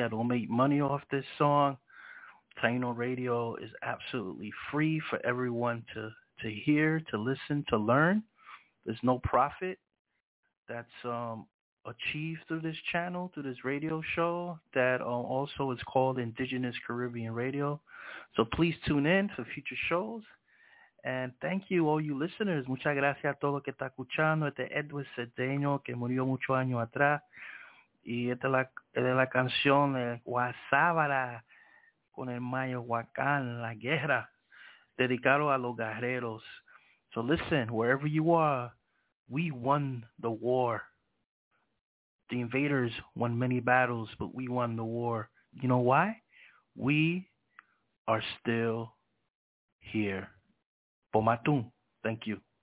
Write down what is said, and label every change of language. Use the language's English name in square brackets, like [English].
[English] I don't make money off this song. Taino Radio is absolutely free for everyone to hear, to listen, to learn. There's no profit that's achieved through this channel, through this radio show that also is called Indigenous Caribbean Radio. So please tune in for future shows. And thank you, all you listeners. [Spanish] Muchas gracias a todos los que están escuchando. Este Edward Cedeño, que murió muchos años atrás. Y esta es la canción de Guasábara con el Mayo Huacán, La Guerra, dedicado a los guerreros. [English] So listen, wherever you are, we won the war. The invaders won many battles, but we won the war. You know why? We are still here. Pomatum. Thank you.